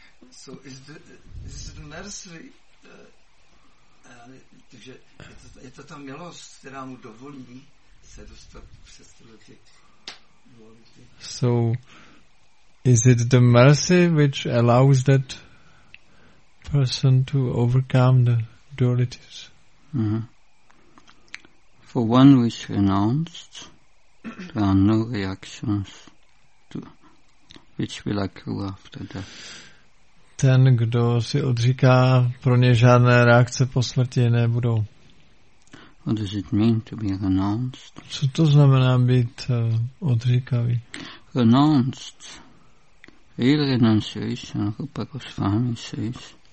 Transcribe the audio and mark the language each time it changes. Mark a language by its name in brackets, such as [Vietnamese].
[English] So is the mercy, [Czech] takže je to ta milost, která mu dovolí se dostat přes tyhle ty duality. [English] So, is it the mercy which allows that person to overcome the dualities? Mm-hmm. For one who is renounced, there are no reactions to which will occur after death. [Czech] Ten, kdo si odříká, pro ně žádné reakce po smrti nebudou. [English] What does it mean to be renounced? [Czech] Co to znamená být odříkavý? [English] Renounced. Real renunciation, Rupa Goswami says.